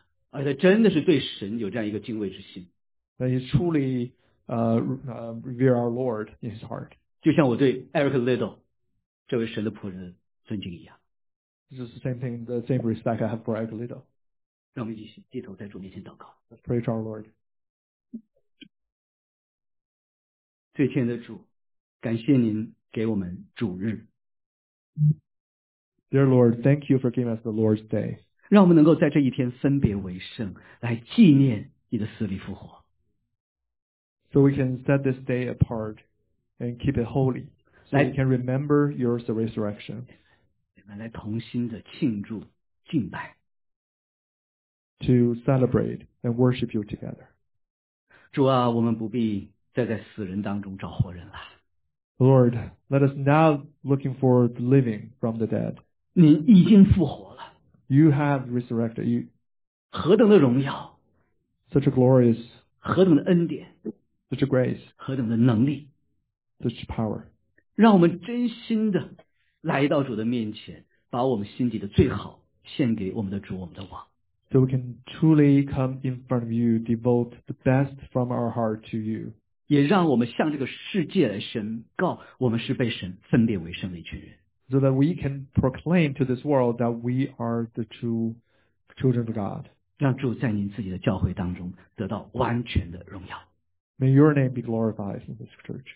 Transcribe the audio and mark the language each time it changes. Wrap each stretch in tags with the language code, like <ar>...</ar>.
<zh>而且真的是对神有这样一个敬畏之心。</zh> <en>That he truly revere our Lord in his heart.</en> <zh>就像我对 Eric Little 这位神的仆人尊敬一样。</zh> <en>This is the same thing, the same respect I have for Eric Little.</en> <zh>让我们一起低头在主面前祷告。</zh> <en>Let's pray to our Lord.</en> <zh>最亲的主，感谢您给我们主日。</zh> <en>Dear Lord, thank you for giving us the Lord's Day.</en> <zh>让我们能够在这一天分别为圣，来纪念你的死里复活。</zh> <en>So we can set this day apart and keep it holy, so we can remember your resurrection.</en> <zh>来同心的庆祝敬拜。</zh> <en>To celebrate and worship you together.</en> <zh>主啊，我们不必再在死人当中找活人了。</zh> <en>Lord, let us now looking for the living from the dead.</en> <zh>你已经复活了。</zh> <en>You have resurrected. You,</en> <zh>何等的荣耀。</zh> <en>Such a glorious.</en> <zh>何等的恩典。</zh> <en>Such a grace.</en> <zh>何等的能力。</zh> <en>Such power.</en> <zh>让我们真心的来到主的面前，把我们心底的最好献给我们的主，我们的王。</zh> <en>So we can truly come in front of you, devote the best from our heart to you.</en> <zh>也让我们向这个世界来宣告，我们是被神分别为圣的一群人。</zh> <en>So that we can proclaim to this world that we are the true children of God.</en> <zh>让主在您自己的教会当中得到完全的荣耀。</zh> <en>May your name be glorified in this church.</en>